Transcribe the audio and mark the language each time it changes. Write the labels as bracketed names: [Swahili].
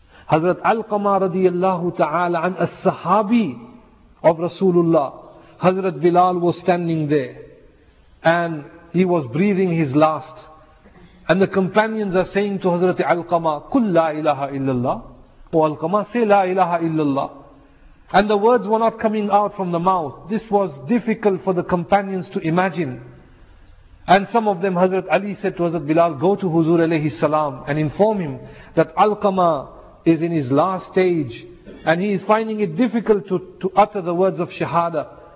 [English] Hazrat Alqama radiyallahu ta'ala an as-sahabi of Rasulullah, Hazrat Bilal was standing there and he was breathing his last. And the companions are saying to Hazrat Alqama, [Arabic] قُلْ لَا إِلَهَ إِلَّا اللَّهِ. [English] O Alqama, say [Arabic] لَا إِلَهَ إِلَّا اللَّهِ. [English] And the words were not coming out from the mouth. This was difficult for the companions to imagine. And some of them, Hazrat Ali said to Hazrat Bilal, go to Huzur alayhi salam and inform him that Alqama is in his last stage and he is finding it difficult to utter the words of Shahada.